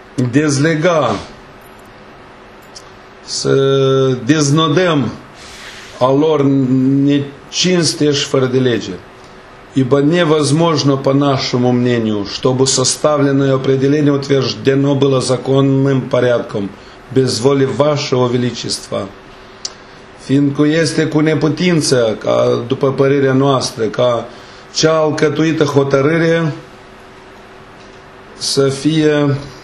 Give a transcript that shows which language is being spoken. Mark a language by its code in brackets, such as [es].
[ro] dezlega, să deznodăm a lor necinste și fără de lege. [ru] Ибо невозможно, по нашему мнению, чтобы составленное определение утверждено было законным порядком, без воли вашего величества. [ro] fiindcă este cu neputință, ca, după părerea noastră, ca cea alcătuită hotărâre să fie